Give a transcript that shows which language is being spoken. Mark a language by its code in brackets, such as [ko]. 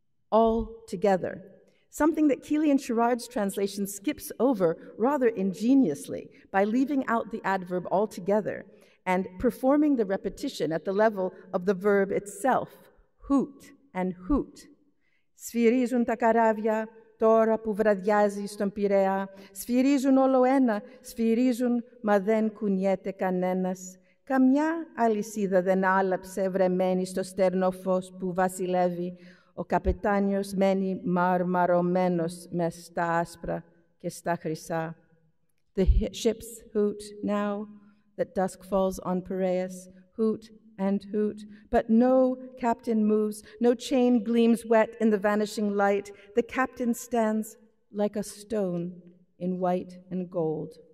[en] all together, something that Keeley and Sherard's translation skips over rather ingeniously by leaving out the adverb altogether and performing the repetition at the level of the verb itself, hoot and hoot. [el] Σφυρίζουν τα καράβια τώρα που βραδιάζει στον Πειραιά. Σφυρίζουν όλο ένα, σφυρίζουν, μα δεν κουνιέται κανένας. Καμιά αλυσίδα δεν άλαψε βρεμένη στο στέρνο φως που βασιλεύει. Ο καπετάνιος μένει μαρμαρωμένος μες στα άσπρα και στα χρυσά. [en] The ships hoot now that dusk falls on Piraeus, hoot and hoot, but no captain moves, no chain gleams wet in the vanishing light. The captain stands like a stone in white and gold.